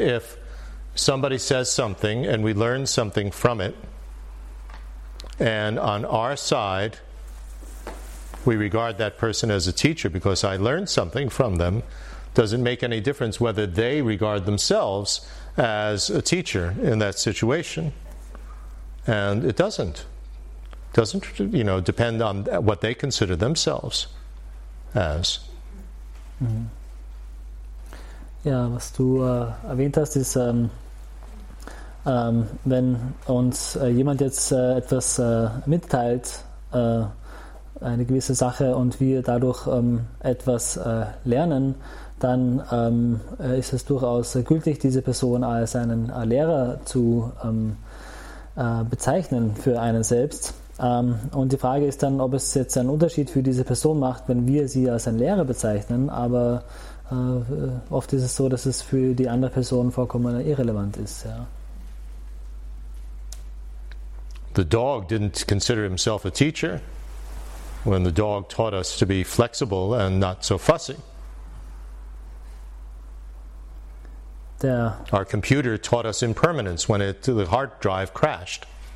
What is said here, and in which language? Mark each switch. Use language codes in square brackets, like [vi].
[en] If somebody says something and we learn something from it, and on our side we regard that person as a teacher because I learned something from them, does it make any difference whether they regard themselves as a teacher in that situation? And it doesn't. Doesn't, you know, depend on what they consider themselves as. Mm-hmm. [de] Ja, was du erwähnt hast, ist, wenn uns jemand jetzt etwas mitteilt, eine gewisse Sache, und wir dadurch etwas lernen, dann ist es durchaus gültig, diese Person als einen Lehrer zu bezeichnen für einen selbst. Und die Frage ist dann, ob es jetzt einen Unterschied für diese Person macht, wenn wir sie als einen Lehrer bezeichnen, aber oft ist es so, dass es für die andere Person vollkommen irrelevant ist. Ja. [en] The dog didn't consider himself a teacher when the dog taught us to be flexible and not so fussy. [de] Der [en] Our computer taught us impermanence when the hard drive crashed.